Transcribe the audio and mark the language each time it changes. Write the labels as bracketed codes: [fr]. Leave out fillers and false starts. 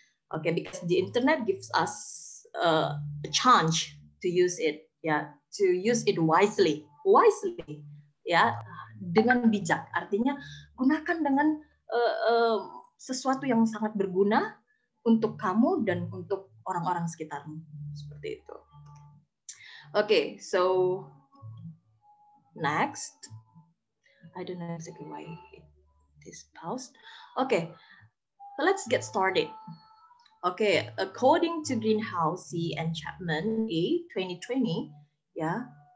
[en] Okay, because the internet gives us a chance to use it. Yeah, to use it wisely. Wisely, ya, [id] dengan bijak. Artinya gunakan dengan sesuatu yang sangat berguna untuk kamu dan untuk orang-orang sekitarmu. Seperti itu. [en] Okay, so next, I don't know exactly why this paused. Okay, so let's get started. Okay, according to Greenhouse and Chapman, 2020, yeah.